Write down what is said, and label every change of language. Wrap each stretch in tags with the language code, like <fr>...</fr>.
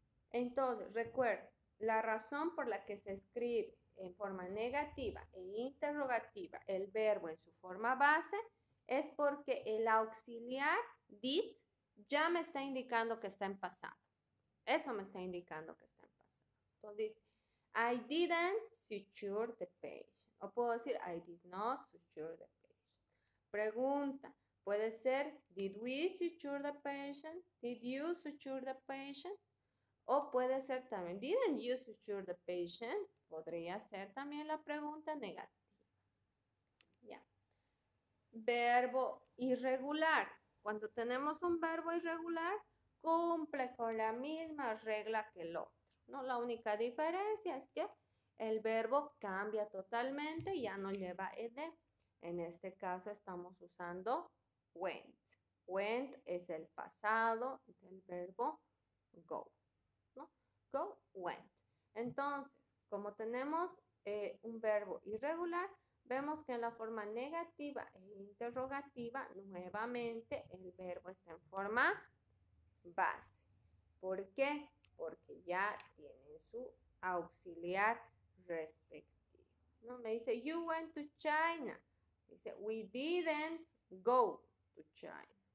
<es>Entonces, recuerden, la razón por la que se escribe en forma negativa e interrogativa el verbo en su forma base es porque el auxiliar did ya me está indicando que está en pasado. Eso me está indicando que está en pasado. Entonces,</es> <en>I didn't secure the patient.</en> <es>O puedo decir,</es> <en>I did not secure the patient.</en> <es>Pregunta. Puede ser,</es> <en>did we secure the patient? Did you secure the patient?</en> <es>O puede ser también,</es> <en>didn't you secure the patient?</en> <es>Podría ser también la pregunta negativa. Ya. Verbo irregular. Cuando tenemos un verbo irregular, cumple con la misma regla que el otro, ¿no? La única diferencia es que el verbo cambia totalmente y ya no lleva ed. En este caso estamos usando went. Went es el pasado del verbo go, ¿no? Go, went. Entonces, como tenemos un verbo irregular, vemos que en la forma negativa e interrogativa, nuevamente el verbo está en forma base. ¿Por qué? Porque ya tiene su auxiliar respectivo, ¿no? Me dice,</es> <en>you went to China.</en> <es>Dice,</es> <en>we didn't go to China.</en>